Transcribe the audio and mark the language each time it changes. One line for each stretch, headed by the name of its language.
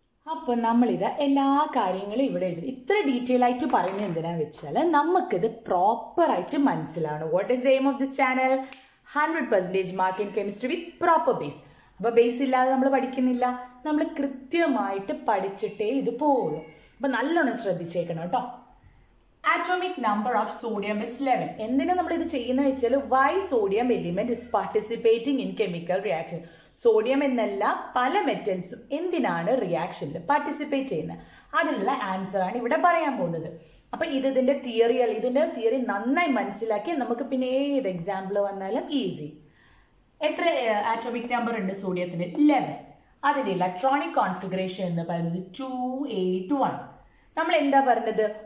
Malayalam: അപ്പം നമ്മളിത് എല്ലാ കാര്യങ്ങളും ഇവിടെ എഴുതി ഇത്ര ഡീറ്റെയിൽ ആയിട്ട് പറഞ്ഞ് എന്തിനാന്ന് വെച്ചാൽ നമുക്കിത് പ്രോപ്പറായിട്ട് മനസ്സിലാവണം.
English: What is the aim of this channel? 100% mark in chemistry with proper base.
Malayalam: അപ്പോൾ ബേസ് ഇല്ലാതെ നമ്മൾ പഠിക്കുന്നില്ല, നമ്മൾ കൃത്യമായിട്ട് പഠിച്ചിട്ടേ ഇത് പോവുള്ളൂ. അപ്പം നല്ലോണം ശ്രദ്ധിച്ചേക്കണം കേട്ടോ.
English: Atomic number of sodium is 11.
Malayalam: എന്തിനു നമ്മൾ ഇത് ചെയ്യുന്ന വെച്ചാൽ,
English: why sodium element is participating in chemical reaction?
Malayalam: Sodium എന്നല്ല പല മെറ്റൽസും എന്തിനാണ് റിയാക്ഷനിൽ പാർട്ടിസിപ്പേറ്റ് ചെയ്യുന്നത്, അതിനുള്ള ആൻസർ ആണ് ഇവിടെ പറയാൻ പോകുന്നത്. അപ്പം ഇതിൻ്റെ തിയറി അല്ല, ഇതിൻ്റെ തിയറി നന്നായി മനസ്സിലാക്കി നമുക്ക് പിന്നെ ഏത് എക്സാമ്പിൾ വന്നാലും ഈസി. എത്ര ആറ്റോമിക് നമ്പർ ഉണ്ട് സോഡിയത്തിന്? 11. അതിൻ്റെ ഇലക്ട്രോണിക് കോൺഫിഗറേഷൻ എന്ന് പറയുന്നത് 281. നമ്മൾ എന്താ പറഞ്ഞത്?